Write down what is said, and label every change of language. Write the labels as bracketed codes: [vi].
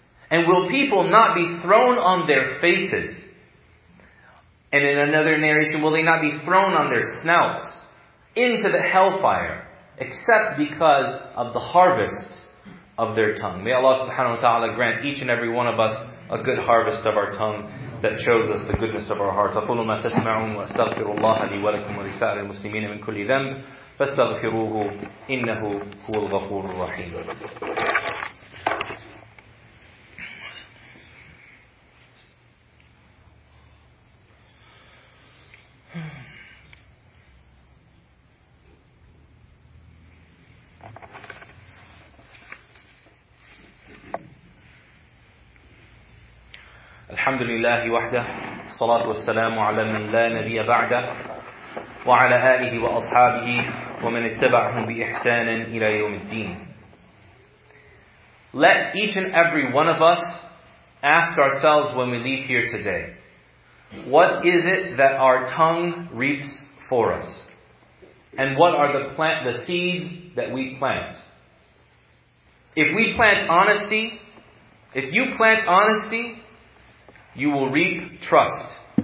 [en] And will people not be thrown on their faces? And in another narration, will they not be thrown on their snouts into the hellfire except because of the harvests of their tongue? May Allah subhanahu wa ta'ala grant each and every one of us a good harvest of our tongue that shows us the goodness of our hearts. [ar] أقول ما تسمعون وأستغفر الله لي ولكم ولسائر المسلمين من كل ذنب فاستغفروه إنه هو الغفور الرحيم. الحمد لله وحده الصلاة والسلام على من لا نبي بعده وعلى آله وأصحابه ومن اتبعهم بإحسان إلى يوم الدين. [en] Let each and every one of us ask ourselves when we leave here today, what is it that our tongue reaps for us? And what are the seeds that we plant? If we plant honesty, if you plant honesty, you will reap trust.